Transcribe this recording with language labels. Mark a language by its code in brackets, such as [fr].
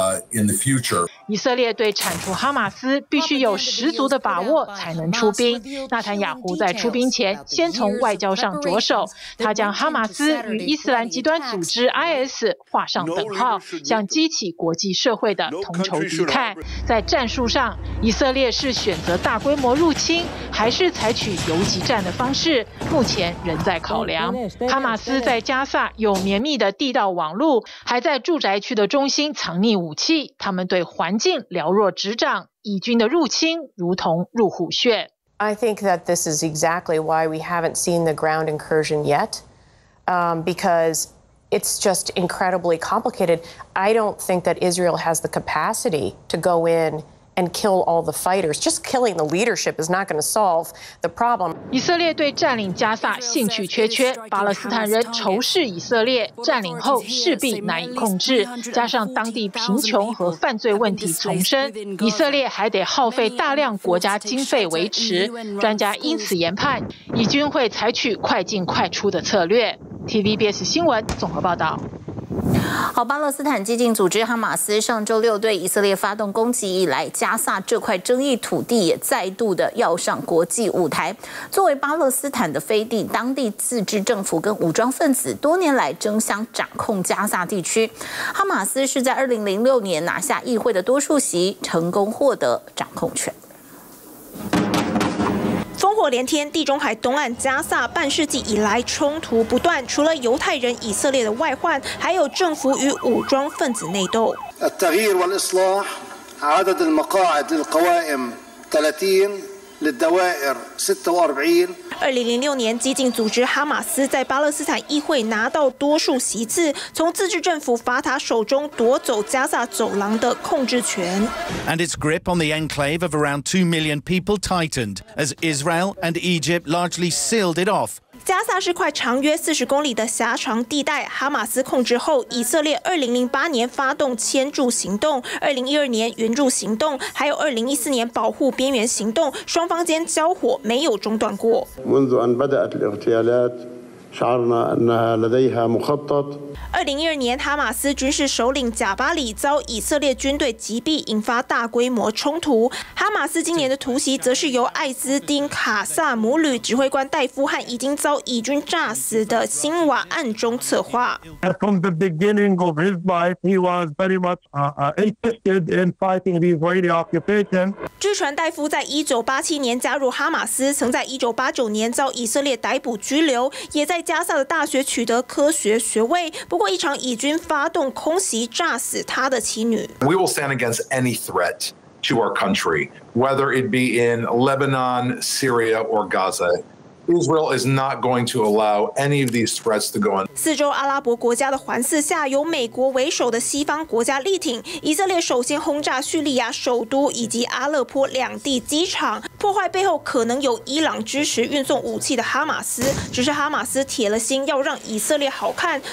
[en] In the future. [zh] 以色列对铲除哈马斯必须有十足的把握才能出兵。纳坦雅胡在出兵前先从外交上着手，他将哈马斯与伊斯兰极端组织 IS 画上等号，向激起国际社会的同仇敌忾。在战术上，以色列是选择大规模入侵，还是采取游击战的方式，目前仍在考量。哈马斯在加萨有绵密的地道网路，还在住宅区的中心藏匿武器，他们对环境了若指掌，以军的入侵如同入虎穴。 [en] I think that this is exactly why we haven't seen the ground incursion yet, because it's just incredibly complicated. I don't think that Israel has the capacity to go in. And kill all the fighters. Just killing the leadership is not going to solve the problem. [zh] 以色列对占领加萨兴趣缺缺，巴勒斯坦人仇视以色列，占领后势必难以控制，加上当地贫穷和犯罪问题丛生，以色列还得耗费大量国家经费维持。专家因此研判，以军会采取快进快出的策略。 TVBS 新闻综合报道。好，巴勒斯坦激进组织哈马斯上周六对以色列发动攻击以来，加萨这块争议土地也再度的要上国际舞台。作为巴勒斯坦的飞地，当地自治政府跟武装分子多年来争相掌控加萨地区。哈马斯是在2006年拿下议会的多数席，成功获得掌控权。烽火连天，地中海东岸加萨半世纪以来冲突不断，除了犹太人以色列的外患，还有政府与武装分子内斗。 [ar] التغيير والإصلاح عدد المقاعد للقوائم 30للدوائر 46 [zh] 2006年，激进组织哈马斯在巴勒斯坦议会拿到多数席次，从自治政府法塔手中夺走加萨走廊的控制权。 [en] And its grip on the enclave of around 2 million people tightened as Israel and Egypt largely sealed it off. [zh] 加萨是块长约40公里的狭长地带，哈马斯控制后，以色列2008年发动迁筑行动，2012年援助行动，还有2014年保护边缘行动，双方间交火没有中断过。 [ar] منذ أن بدأت الاغتيالات شعرنا أنها لديها مخطط. [zh] 2012年，哈马斯军事首领贾巴里遭以色列军队击毙，引发大规模冲突。哈马斯今年的突袭则是由艾斯丁卡萨姆旅指挥官戴夫和已经遭以军炸死的辛瓦暗中策划。 [en] From the beginning of his life, he was very much interested in fighting the Israeli occupation. [zh] 据传，戴夫在1987年加入哈马斯，曾在1989年遭以色列逮捕拘留，也在加萨的大学取得科学学位。不过，一场以军发动空袭炸死他的妻女。 [en] We will stand against any threat to our country, whether it be in Lebanon, Syria, or Gaza. Israel is not going to allow any of these threats to go on. [zh] 四周阿拉伯国家的环伺下，由美国为首的西方国家力挺。以色列首先轰炸叙利亚首都以及阿勒颇两地机场。破坏背后可能有伊朗支持运送武器的哈马斯，只是哈马斯铁了心要让以色列好看。